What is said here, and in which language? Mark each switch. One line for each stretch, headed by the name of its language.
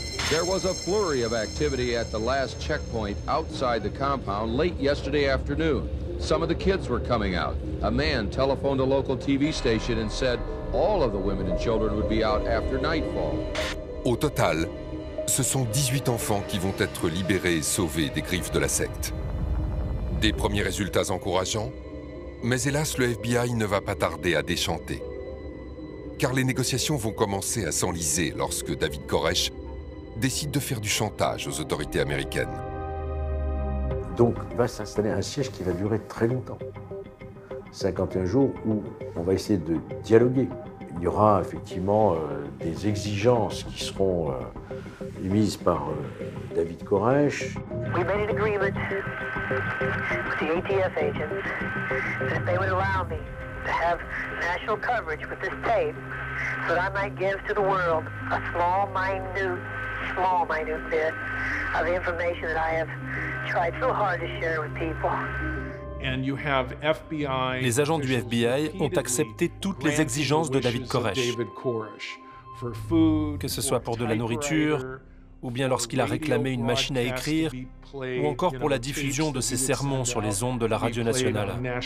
English: There was a flurry of activity at the last checkpoint outside the compound late yesterday afternoon. Some of the kids were coming out. A man telephoned a local TV station and said all of the women and children would be out after nightfall.
French: Au total, ce sont 18 enfants qui vont être libérés et sauvés des griffes de la secte. Des premiers résultats encourageants, mais hélas, le FBI ne va pas tarder à déchanter. Car les négociations vont commencer à s'enliser lorsque David Koresh décide de faire du chantage aux autorités américaines. Donc, il va s'installer un siège qui va durer très longtemps. 51 jours où on va essayer de dialoguer. Il y aura effectivement des exigences qui seront émises par David Koresh.
English: We made an agreement with the ATF agents that they would allow me to have national coverage with this tape so that I might give to the world a small minute bit of the information that I have tried so hard to share with people.
French: Les agents du FBI ont accepté toutes les exigences de David Koresh, que ce soit pour de la nourriture, ou bien lorsqu'il a réclamé une machine à écrire, ou encore pour la diffusion de ses sermons sur les ondes de la radio nationale.